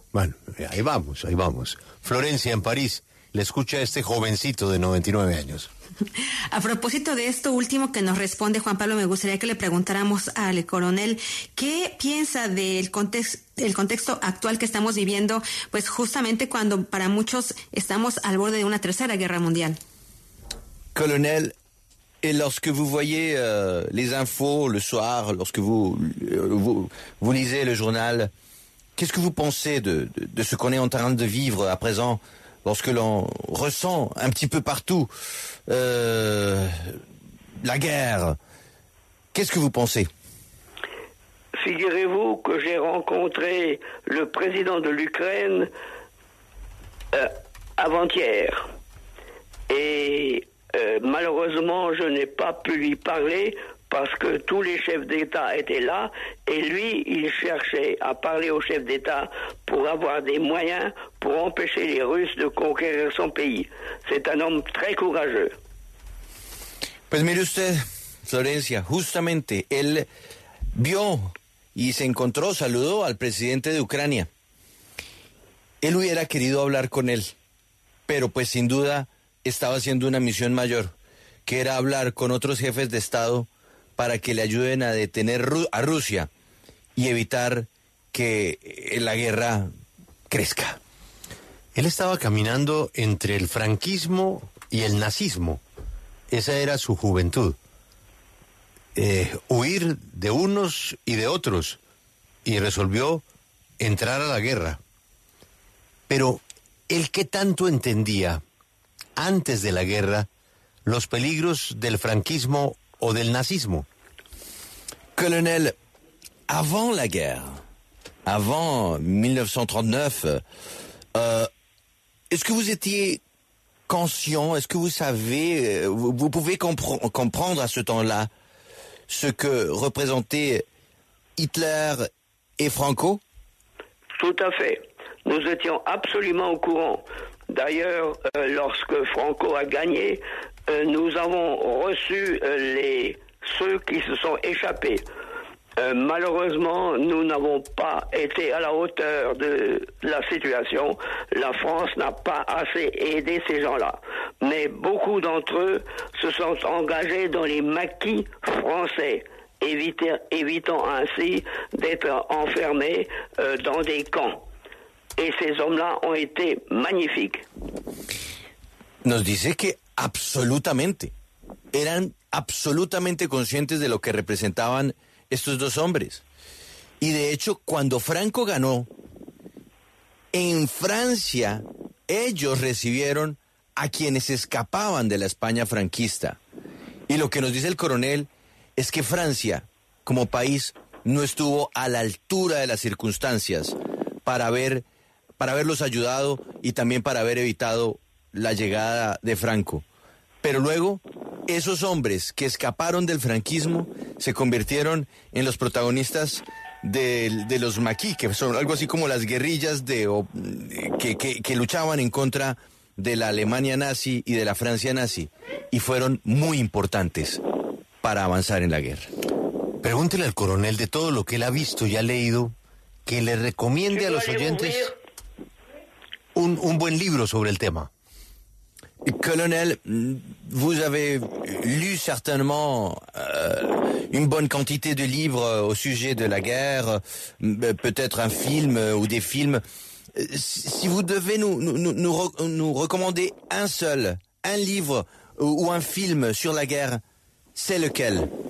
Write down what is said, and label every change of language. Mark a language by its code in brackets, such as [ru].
[es] Bueno, ahí vamos, ahí vamos. Florencia, en París, le escucha a este jovencito de 99 años. A propósito de esto último que nos responde Juan Pablo, me gustaría que le preguntáramos al coronel qué piensa del contexto actual que estamos viviendo, pues justamente cuando para muchos estamos al borde de una tercera guerra mundial. [fr] Coronel, et lorsque vous voyez les infos le soir, lorsque vous lisez le journal, qu'est-ce que vous pensez de ce qu'on est en train de vivre à présent? Lorsque l'on ressent un petit peu partout la guerre, qu'est-ce que vous pensez? Figurez-vous que j'ai rencontré le président de l'Ukraine avant-hier. Et malheureusement, je n'ai pas pu lui parler parce que tous les chefs d'État étaient là, et lui, il cherchait à parler aux chefs d'État pour avoir des moyens pour empêcher les Russes de conquérir son pays. C'est un homme très courageux. [es] Pues mire usted, Florencia, justamente él vio y se encontró, saludó al presidente de Ucrania. Él hubiera querido hablar con él, pero pues sin duda estaba haciendo una misión mayor, que era hablar con otros jefes de Estado para que le ayuden a detener a Rusia y evitar que la guerra crezca. Él estaba caminando entre el franquismo y el nazismo. Esa era su juventud. Huir de unos y de otros, y resolvió entrar a la guerra. Pero el que tanto entendía, antes de la guerra, los peligros del franquismo o del nazismo. [fr] Colonel, avant la guerre, avant 1939, est-ce que vous étiez conscient, est-ce que vous savez, vous pouvez comprendre à ce temps-là ce que représentaient Hitler et Franco? Tout à fait. Nous étions absolument au courant. D'ailleurs, lorsque Franco a gagné, nous avons reçu ceux qui se sont échappés. Malheureusement, nous n'avons pas été à la hauteur de la situation. La France n'a pas assez aidé ces gens-là. Mais beaucoup d'entre eux se sont engagés dans les maquis français, évitant ainsi d'être enfermés dans des camps. Et ces hommes-là ont été magnifiques. [es] Nos dice que absolutamente. Eran absolutamente conscientes de lo que representaban estos dos hombres. Y de hecho, cuando Franco ganó, en Francia, ellos recibieron a quienes escapaban de la España franquista. Y lo que nos dice el coronel es que Francia, como país, no estuvo a la altura de las circunstancias para haberlos ayudado y también para haber evitado la llegada de Franco. Pero luego, esos hombres que escaparon del franquismo se convirtieron en los protagonistas de los maquis, que son algo así como las guerrillas que luchaban en contra de la Alemania nazi y de la Francia nazi, y fueron muy importantes para avanzar en la guerra. Pregúntele al coronel, de todo lo que él ha visto y ha leído, que le recomiende a los oyentes un buen libro sobre el tema. [fr] Colonel, vous avez lu certainement une bonne quantité de livres au sujet de la guerre, peut-être un film ou des films. Si vous devez nous recommander un livre ou un film sur la guerre, c'est lequel?